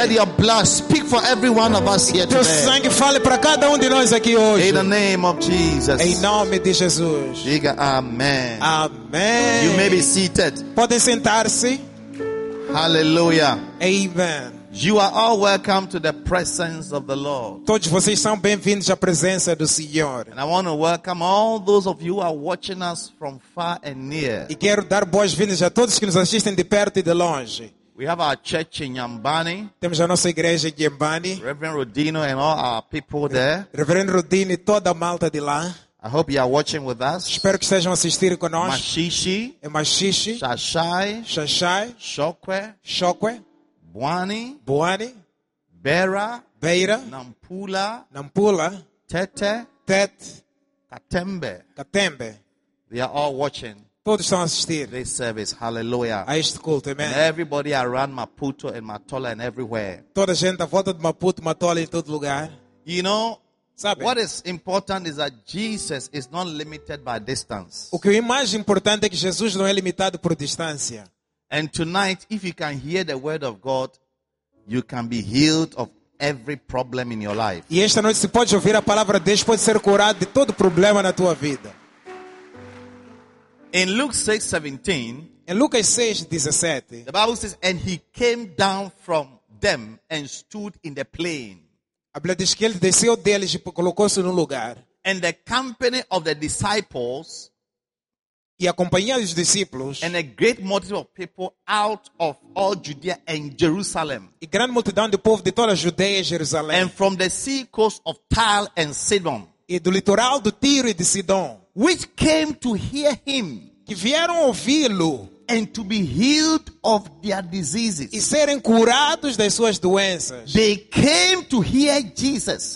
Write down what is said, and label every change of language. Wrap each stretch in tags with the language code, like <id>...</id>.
<en>And let your blood speak for every one of us here</en> <pt>teu</pt> <en>today.</en> <pt>Teu sangue fale para cada de nós aqui hoje.</pt> <en>In the name of Jesus.</en> <pt>Em nome de Jesus. Diga, Amen. Amen.</pt> <en>You may be seated.</en> <pt>Pode sentar-se.</pt> <en>Hallelujah. Amen. You are all welcome to the presence of the Lord.</en> <pt>Todos vocês são bem-vindos à presença do Senhor.</pt> <en>And I want to welcome all those of you who are watching us from far and near.</en> <pt>E quero dar boas-vindas a todos que nos assistem de perto e de longe.</pt> <en>We have our church in Yambani.</en> <pt>Temos a nossa igreja em Yambani.</pt> <en>Reverend Rodino and all our people there.</en> <pt>Reverendo Rodino e toda a malta de lá.</pt> <en>I hope you are watching with us.</en> <pt>Espero que estejam assistindo conosco. Mashishi. Mashishi. Shashai. Shashai. Shokwe. Shokwe. Buani. Buani. Bera. Beira. Nampula. Nampula. Tete. Tet. Katembe. Katembe.</pt> <en>They are all watching.</en> <pt>Todos estão assistindo.</pt> <en>This service. Hallelujah.</en> <pt>A este culto. Amen.</pt> <en>And everybody around Maputo and Matola and everywhere.</en> <pt>Toda a gente à volta de Maputo, Matola em todo lugar.</pt> <en>You know,</en> <pt>sabe?</pt> <en>What is important is that Jesus is not limited by distance.</en> <pt>O que é mais importante é que Jesus não é limitado por distância.</pt> <en>And tonight, if you can hear the word of God, you can be healed of every problem in your life.</en> <pt>E esta noite, se pode ouvir a palavra de Deus, pode ser curado de todo problema na tua vida.</pt> <en>In Luke 6:17,</en> <pt>em Lucas 6:17,</pt> <en>the Bible says, "And he came down from them and stood in the plain."</en> <pt>A Bíblia diz que ele desceu deles e colocou-se num lugar.</pt> <en>And the company of the disciples,</en> <pt>e a companhia dos discípulos.</pt> <en>And a great multitude of people out of all Judea and Jerusalem.</en> <pt>E grande multidão de povo de toda a Judeia e Jerusalém.</pt> <en>And from the sea coast of Tyre and Sidon.</en> <pt>E do litoral do Tiro e de Sidon.</pt> <en>Which came to hear him.</en> <pt>Que vieram ouvi-lo.</pt> <en>And to be healed of their diseases.</en> <pt>E serem curados das suas doenças.</pt> <en>They came to hear Jesus.</en>